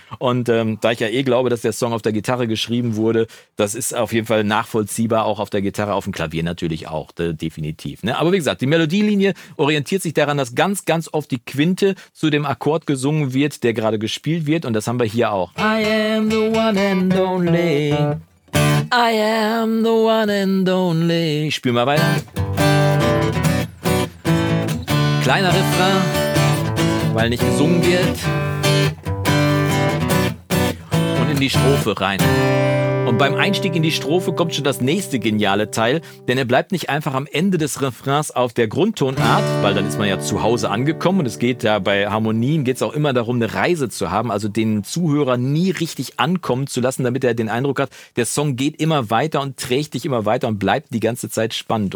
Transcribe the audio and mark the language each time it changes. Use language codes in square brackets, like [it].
[de] Und da ich ja eh glaube, dass der Song auf der Gitarre geschrieben wurde, das ist auf jeden Fall nachvollziehbar, auch auf der Gitarre, auf dem Klavier natürlich auch, definitiv. Ne? Aber wie gesagt, die Melodielinie orientiert sich daran, dass ganz, ganz oft die Quinte zu dem Akkord gesungen wird, der gerade gespielt wird, und das haben wir hier auch. [en] I am the one and only, I am the one and only. [de] Ich spiel mal weiter. Kleiner Refrain, weil nicht gesungen wird. Und in die Strophe rein. Und beim Einstieg in die Strophe kommt schon das nächste geniale Teil, denn er bleibt nicht einfach am Ende des Refrains auf der Grundtonart, weil dann ist man ja zu Hause angekommen, und es geht ja bei Harmonien geht's auch immer darum, eine Reise zu haben, also den Zuhörer nie richtig ankommen zu lassen, damit er den Eindruck hat, der Song geht immer weiter und trägt dich immer weiter und bleibt die ganze Zeit spannend.